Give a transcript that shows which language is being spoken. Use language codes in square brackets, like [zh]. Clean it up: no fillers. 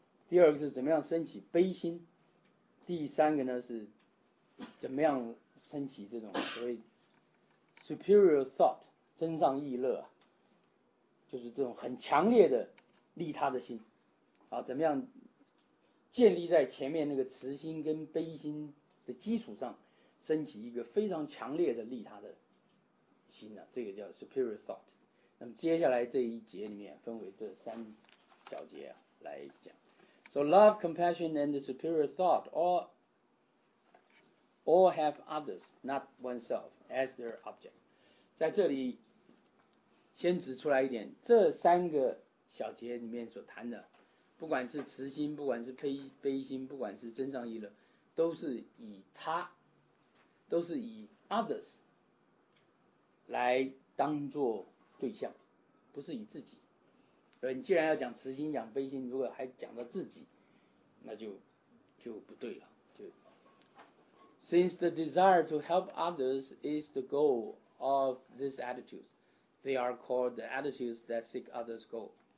[zh] 第二个是怎么样升起悲心，第三个呢是怎么样升起这种所谓 superior thought 真上意乐，就是这种很强烈的利他的心啊，怎么样建立在前面那个慈心跟悲心的基础上升起一个非常强烈的利他的心呢、啊？这个叫 superior thought。那么接下来这一节里面分为这三小节、啊、来讲。 [en] So love, compassion and the superior thought all have others, not oneself, as their object。 [zh] 在这里先指出来一点，这三个小节里面所谈的，不管是慈心，不管是悲心，不管是真上意乐，都是以他，都是以 others 来当作对象，不是以自己。所以你既然要讲慈心，讲悲心，如果还讲到自己，那就不对了。 [en] 就 Since the desire to help others is the goal of these attitudes, they are called the attitudes that seek others' goal.